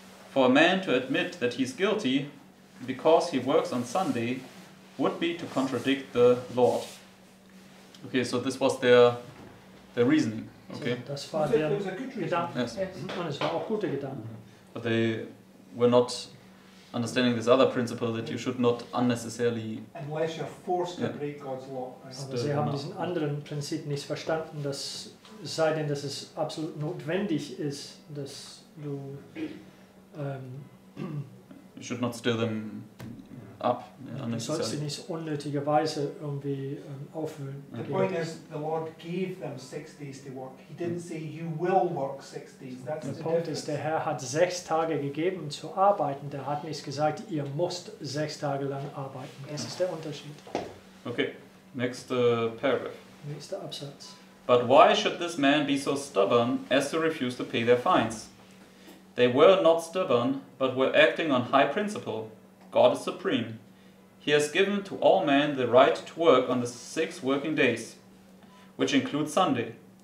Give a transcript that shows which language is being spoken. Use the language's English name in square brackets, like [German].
[English] For a man to admit that he's guilty because he works on Sunday would be to contradict the Lord. Okay, so this was their reasoning. Okay. [German] Das war der Gedanke. [English] Yes. [German] Und es war auch gute Gedanken. [English] But they were not understanding this other principle that you should not unnecessarily. Unless you're forced to break God's law. [German] Aber sie haben diesen anderen Prinzip nicht verstanden, dass es sei denn, dass es absolut notwendig ist, dass du. [English] You should not stir them up. [German] Du sollst sie nicht unnötigerweise irgendwie aufwühlen. [English] The point is, the Lord gave them 6 days to work. He didn't say, you will work 6 days. That's the point is, [German] der Herr hat 6 Tage gegeben zu arbeiten. Der hat nicht gesagt, ihr müsst 6 Tage lang arbeiten. Das ist der Unterschied. [English] Okay, next paragraph. [German] Nächster Absatz. [English] But why should this man be so stubborn as to refuse to pay their fines? They were not stubborn, but were acting on high principle. God is supreme. He has given to all men the right to work on the 6 working days, which includes Sunday.